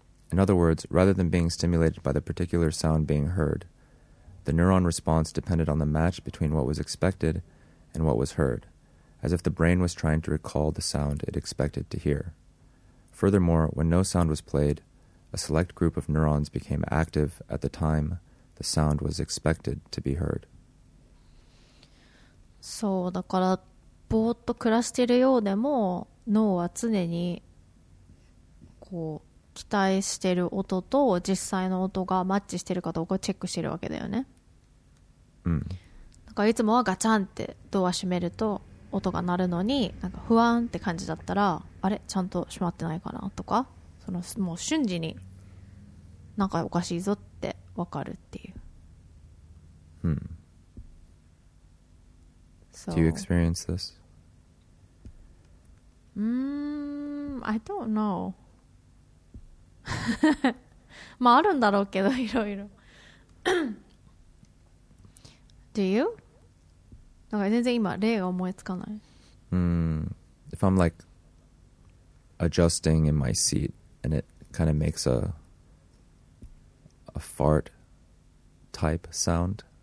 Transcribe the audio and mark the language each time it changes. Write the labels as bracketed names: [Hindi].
[English] In other words, rather than being stimulated by the particular sound being heard, the neuron response depended on the match between what was expected and what was heard, as if the brain was trying to recall the sound it expected to hear. Furthermore, when no sound was played, a select group of neurons became active at the time the sound was expected to be heard. [Japanese] そう、だからぼーっと暮らしてるようでも脳は常にこう期待してる音と実際の音がマッチしてるかどうかチェックしてるわけだよね。だからいつもはガチャンってドア閉めると音が鳴るのに、なんか不安って感じだったら、あれちゃんと閉まってないかなとか、そのもう瞬時になんかおかしいぞって分かるっていう。 [English] Do you experience this? I don't know. [Japanese] まああるんだろうけど、いろいろ。 [English] Do you? [Japanese] なんか全然今例が思いつかない。 [English] If I'm like adjusting in my seat and it kind of makes a fart type sound.